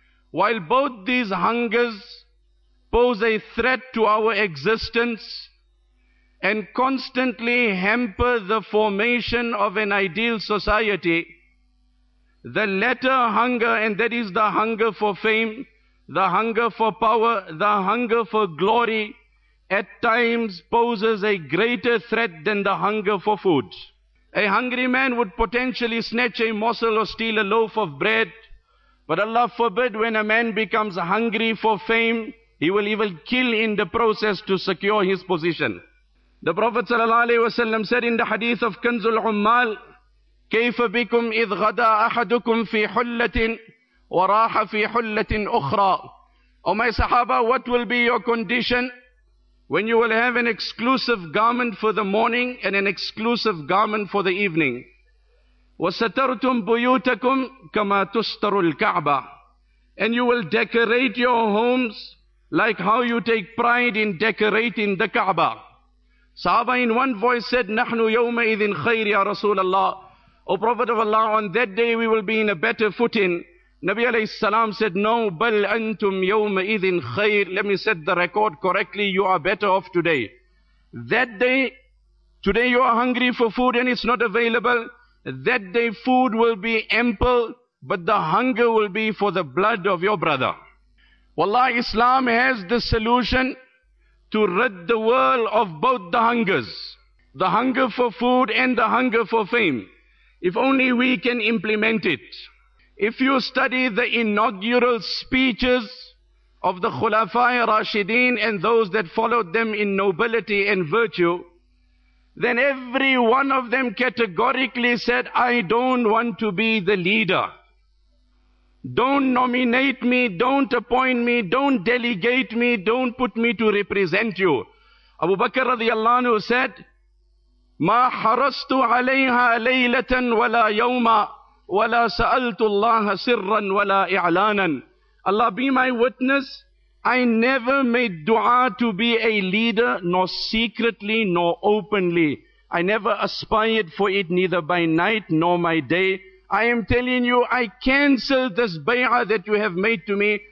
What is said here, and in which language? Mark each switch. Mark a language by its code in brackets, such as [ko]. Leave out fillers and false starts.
[en] While both these hungers pose a threat to our existence and constantly hamper the formation of an ideal society, the latter hunger, and that is the hunger for fame, the hunger for power, the hunger for glory, at times poses a greater threat than the hunger for food. A hungry man would potentially snatch a morsel or steal a loaf of bread, but Allah forbid, when a man becomes hungry for fame, he will even kill in the process to secure his position. The Prophet ﷺ said in the hadith of Kanzul Ummal, [ar] كَيْفَ بِكُمْ إِذْ غَدَى أَحَدُكُمْ فِي حُلَّةٍ وَرَاحَ فِي حُلَّةٍ أُخْرَى. [en] O my Sahaba, what will be your condition when you will have an exclusive garment for the morning and an exclusive garment for the evening? [ar] وَسَتَرْتُمْ بُيُوتَكُمْ كَمَا تُسْتَرُ الْكَعْبَةِ. [en] And you will decorate your homes like how you take pride in decorating the Kaaba. Sahaba in one voice said, [ar] نَحْنُ يَوْمَ إِذٍ خَيْرِ يَا رَسُولَ اللَّهِ. [en] O Prophet of Allah, on that day we will be in a better footing. Nabi alayhi salam said, no, [ar] بَلْ أَنْتُمْ يَوْمَ إِذٍ خَيْرِ. [en] Let me set the record correctly. You are better off today. That day, today you are hungry for food and it's not available. That day food will be ample, but the hunger will be for the blood of your brother. Wallah, Islam has the solution to rid the world of both the hungers, the hunger for food and the hunger for fame, if only we can implement it. If you study the inaugural speeches of the Khulafa'i Rashideen and those that followed them in nobility and virtue, then every one of them categorically said, I don't want to be the leader. Don't nominate me, don't appoint me, don't delegate me, don't put me to represent you. Abu Bakr radiallahu anhu said, [ar] مَا حَرَسْتُ عَلَيْهَا لَيْلَةً وَلَا يَوْمًا وَلَا سَأَلْتُ اللَّهَ سِرًّا وَلَا إِعْلَانًا. [en] Allah be my witness, I never made dua to be a leader, nor secretly, nor openly. I never aspired for it, neither by night nor by day. I am telling you, I cancel this bay'ah that you have made to me.